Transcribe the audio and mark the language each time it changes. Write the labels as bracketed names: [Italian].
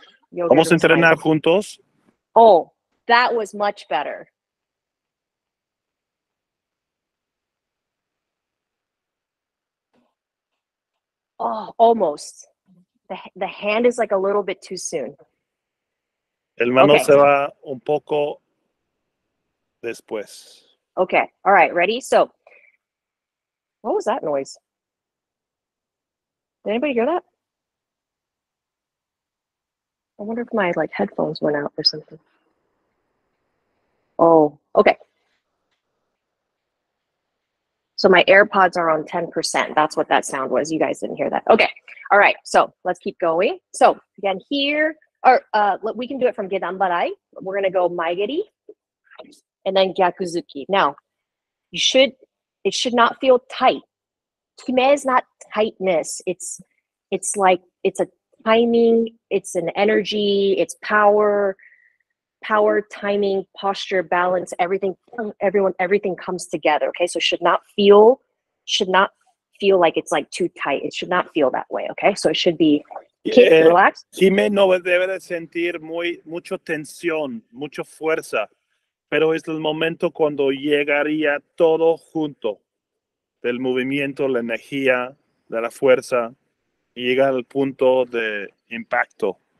[Spanish] Yoga. Vamos a entrenar juntos. [English] Oh, that was much better. Oh, almost. The hand is like a little bit too soon. [Spanish] El mano okay. Se va un poco después. [English] Okay, all right, ready? So, what was that noise? Did anybody hear that? I wonder if my like headphones went out or something. Oh, okay. So my AirPods are on 10%. That's what that sound was. You guys didn't hear that. Okay. All right. So let's keep going. So again, here, or we can do it from Gedanbarai. We're going to go Maigeri and then Gyakuzuki. Now, it should not feel tight. Kime is not tightness. It's like, it's a timing, it's an energy, it's power, timing, posture, balance, everything comes together. Okay. So should not feel like it's like too tight. It should not feel that way. Okay. So it should be relaxed. [Spanish] Kime no debe de sentir mucho tensión, mucho fuerza, pero es el momento cuando llegaría todo junto. Del movimiento, la energía, de la fuerza, y llega al punto de impacto.